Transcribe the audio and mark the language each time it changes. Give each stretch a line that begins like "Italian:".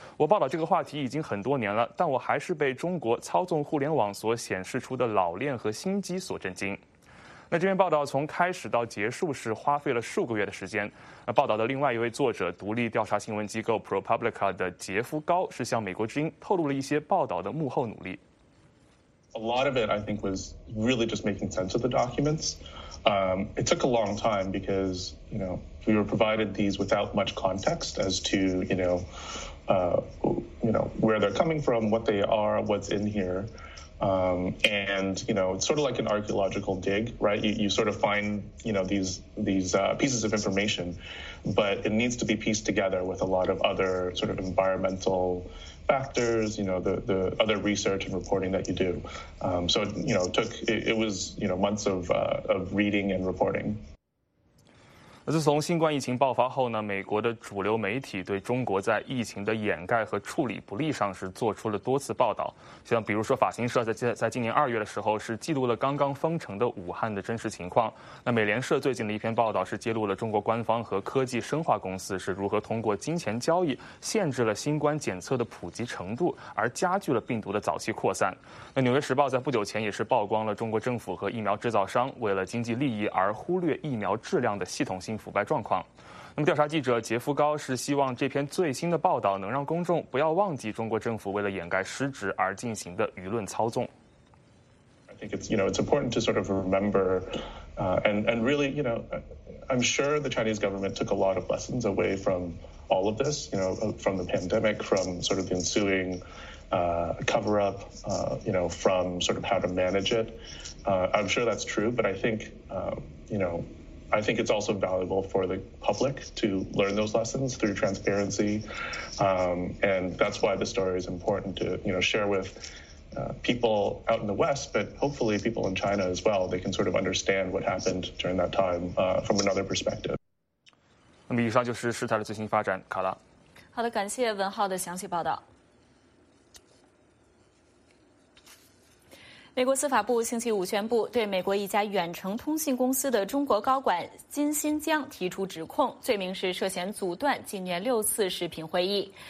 Chinese: 我报道这个话题已经很多年了，但我还是被中国操纵互联网所显示出的老练和心机所震惊。那这篇报道从开始到结束是花费了数个月的时间。那报道的另外一位作者，独立调查新闻机构 ProPublica 的杰夫高是向美国之音透露了一些报道的幕后努力。
English: A lot of it, I think, was really just making sense of the documents. It took a long time because, you know, we were provided these without much context as to, you know, where they're coming from, what they are, what's in here. And, you know, it's sort of like an archaeological dig, right? You sort of find, you know, these pieces of information, but it needs to be pieced together with a lot of other sort of environmental factors, you know, the other research and reporting that you do. So, you know, it was months of reading and reporting.
Chinese: 自从新冠疫情爆发后呢，美国的主流媒体对中国在疫情的掩盖和处理不力上是做出了多次报道。像比如说法新社在今年二月的时候是记录了刚刚封城的武汉的真实情况。那美联社最近的一篇报道是揭露了中国官方和科技生化公司是如何通过金钱交易限制了新冠检测的普及程度，而加剧了病毒的早期扩散。那纽约时报在不久前也是曝光了中国政府和疫苗制造商为了经济利益而忽略疫苗质量的系统性腐败状况。那么调查记者杰夫高是希望这篇最新的报道能让公众不要忘记中国政府为了掩盖失职而进行的舆论操纵。
English: I think it's important to sort of remember, and really, you know, I'm sure the Chinese government took a lot of lessons away from all of this, you know, from the pandemic, from sort of the ensuing cover-up, you know, from sort of how to manage it. I'm sure that's true, but I think it's also valuable for the public to learn those lessons through transparency. And that's why the story is important to, you know, share with people out in the West, but hopefully people in China as well. They can sort of understand what happened during that time from another perspective.
Chinese: 那么以上就是事态的最新发展，卡拉。好的，感谢文浩的详细报道。美国司法部星期五宣布对美国一家远程通信公司的中国高管金新江提出指控，罪名是涉嫌阻断今年六次视频会议。